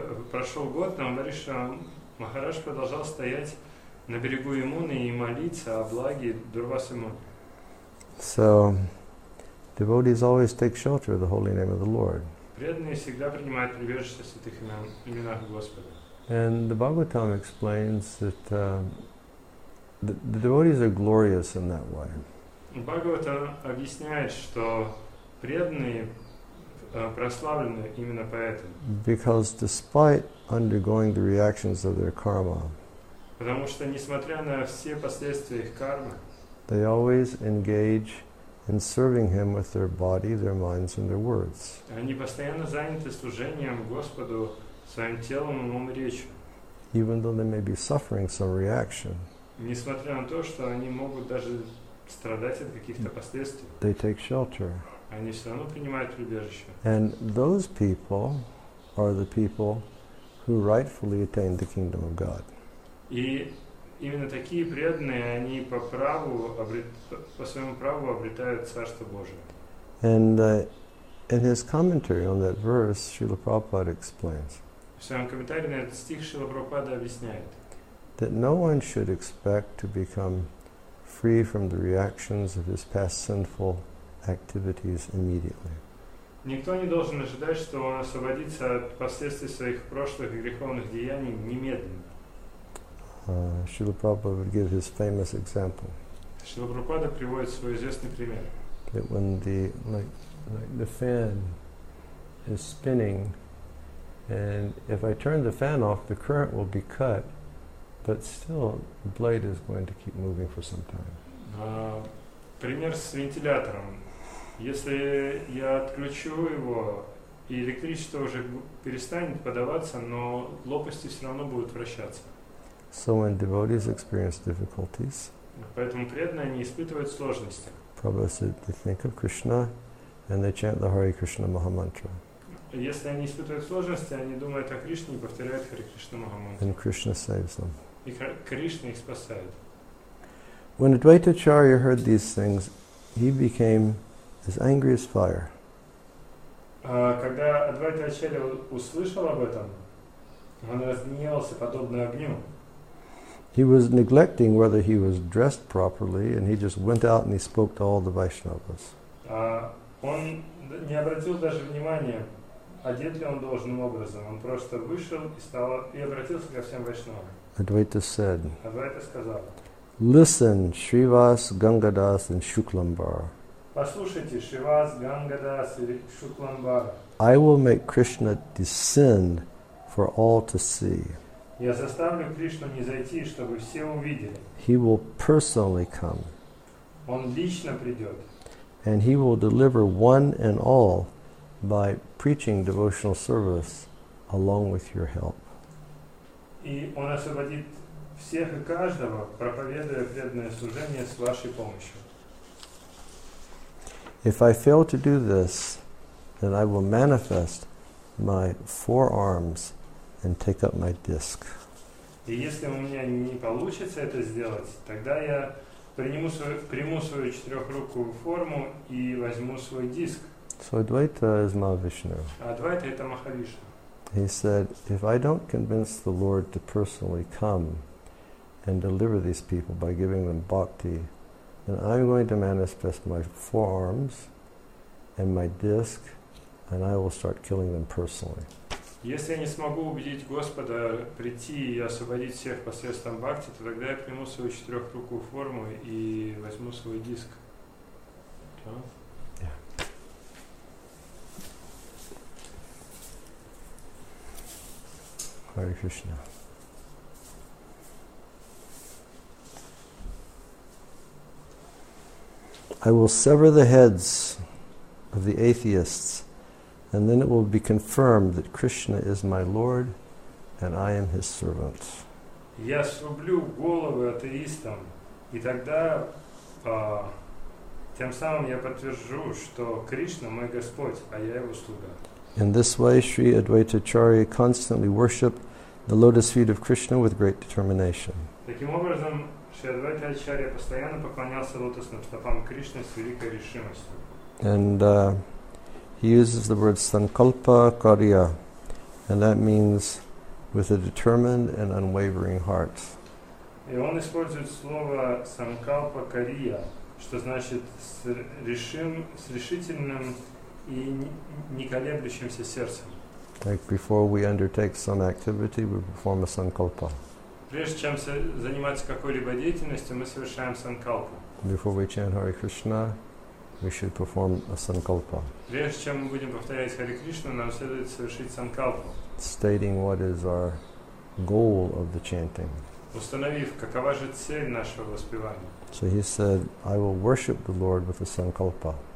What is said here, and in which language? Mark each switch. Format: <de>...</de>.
<ru>Прошел год, но Амбариш Махарадж продолжал стоять на берегу Ямуны и молиться о благе Дурвасы Муни.</ru> <en>So, devotees always take shelter of the holy name of the Lord.</en> <ru>Преданные всегда принимают прибежище святых имен, именах Господа.</ru> <en>And the Bhagavatam explains that the devotees are glorious in that way.</en> <ru>Бхагавата объясняет, что преданные прославлены именно поэтому.</ru> <en>Because despite undergoing the reactions of their karma,</en> <ru>потому что несмотря на все последствия их кармы,</ru> <en>they always engage in serving Him with their body, their minds, and their words.</en> <ru>Они постоянно заняты служением Господу своим телом и умом и речью.</ru> <en>Even though they may be suffering some reaction,</en> <ru>несмотря на то, что они могут даже страдать от каких-то последствий,</ru> <en>they take shelter.</en> <ru>Они все равно принимают прибежище.</ru> <en>And those people are the people who rightfully attain the kingdom of God.</en> <ru>И именно такие преданные, они по праву по своему праву обретают Царство Божие.</ru> <en>And in his commentary on that verse, Srila Prabhupada explains,</en> <ru>в своем комментарии на этот стих Шрила Прабхупада объясняет,</ru> <en>that no one should expect to become free from the reactions of his past sinful activities immediately.</en> <ru>Никто не должен ожидать, что он освободится от последствий своих прошлых греховных деяний немедленно.</ru> <en>Шрила Прабхупада would give his famous example.</en> <ru>Шрила Прабхупада приводит свой известный пример.</ru> <en>That when the fan is spinning, and if I turn the fan off, the current will be cut, but still the blade is going to keep moving for some time.</en> <ru>Пример с вентилятором. Если я отключу его, и электричество уже перестанет подаваться, но лопасти все равно будут вращаться.</ru> <en>So when devotees experience difficulties,</en> <ru>поэтому преданные не испытывают сложности.</ru> <en>Prabhupada said, they think of Krishna, and they chant the Hare Krishna Maha Mantra.</en> <ru>Если они испытывают сложности, они думают о Кришне и повторяют Хари Кришна Махамантру.</ru> <en>And Krishna saves them.</en> <ru>И Кришна их спасает.</ru> <en>When Advaita Acharya heard these things, he became as angry as fire.</en> <ru>Когда Адвайта Ачарья услышал об этом, он разгневался подобно огню.</ru> <en>He was neglecting whether he was dressed properly, and he just went out and he spoke to all the Vaishnavas.</en> <ru>Он не обратил даже внимания, одет ли он должным образом. Он просто вышел и стал и обратился ко всем Вайшнавам.</ru> <en>Advaita said,</en> <ru>Advaita сказал,</ru> <en>listen, Shrivas, Gangadas, and Shuklambara.</en> <ru>Послушайте, Шривас, Гангадас и Шукламбар.</ru> <en>I will make Krishna descend for all to see.</en> <ru>Я заставлю Кришну низойти, чтобы все увидели.</ru> <en>He will personally come.</en> <ru>Он лично придет.</ru> <en>And he will deliver one and all by preaching devotional service along with your help.</en> <ru>И он освободит всех и каждого, проповедуя преданное служение с вашей помощью.</ru> <en>If I fail to do this, then I will manifest my forearms and take up my disc.</en> <ru>И если у меня не получится это сделать, тогда я приму свою четырехрукую форму и возьму свой диск.</ru> <en>So Advaita is Mahavishnu.</en> <ru>Advaita это Махавишна.</ru> <en>He said, if I don't convince the Lord to personally come and deliver these people by giving them bhakti, then I'm going to manifest my forearms and my disc, and I will start killing them personally.</en> <ru>Если я не смогу убедить Господа прийти и освободить всех посредством бхакти, то тогда я приму свою четырехрукую форму и возьму свой диск.</ru> <en>Hare Krishna. I will sever the heads of the atheists, and then it will be confirmed that Krishna is my Lord and I am his servant.</en> <ru>я срублю головы атеистам, и тогда тем самым я подтвержу, что Кришна мой Господь, а я его слуга.</ru> <en>In this way, Sri Advaita Acharya constantly worshipped the lotus feet of Krishna with great determination.</en> <ru>Таким образом, Шри Адвайта Ачарья постоянно поклонялся лотосным стопам Кришны с великой решимостью.</ru> <en>And he uses the word sankalpa karya, and that means with a determined and unwavering heart.</en> <ru>И он использует слово sankalpa karya, что значит с решительным и не колеблющимся сердцем.</ru> <en>Like before we undertake some activity, we perform a sankalpa.</en> <ru>Прежде чем заниматься какой-либо деятельностью, мы совершаем санкалпу.</ru> <en>Before we chant Hare Krishna, we should perform a sankalpa.</en> <ru>Прежде чем мы будем повторять Хари Кришну, нам следует совершить санкалпу.</ru> <en>Stating what is our goal of the chanting.</en> <ru>Установив, какова же цель нашего воспевания.</ru> <en>So he said, I will worship the Lord with a sankalpa.</en>